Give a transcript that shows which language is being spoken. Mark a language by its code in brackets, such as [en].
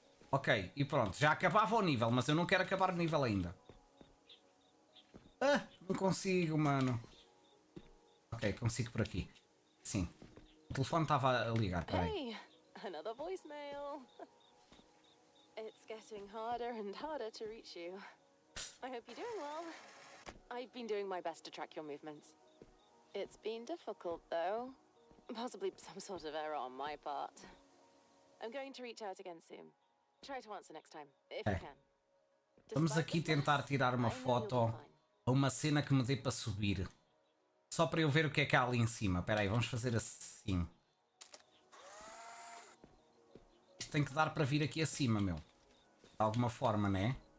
[pt] Ok, e pronto. Já acabava o nível, mas eu não quero acabar o nível ainda. Ah, não consigo, mano. Ok, consigo por aqui. Sim. O telefone estava a ligar. Peraí. [en] Hey, another voicemail. It's getting harder and harder to reach you. I hope you're doing well. I've been doing my best to track your movements. It's been difficult, though. Possibly some sort of error on my part. I'm going to reach out again soon. Try to answer next time, if you can. [pt] Vamos aqui tentar tirar uma foto a uma cena que me dê para subir. Só para eu ver o que é ali em cima. Espera aí, vamos fazer assim. Isto tem que dar para vir aqui acima, meu. De alguma forma, né?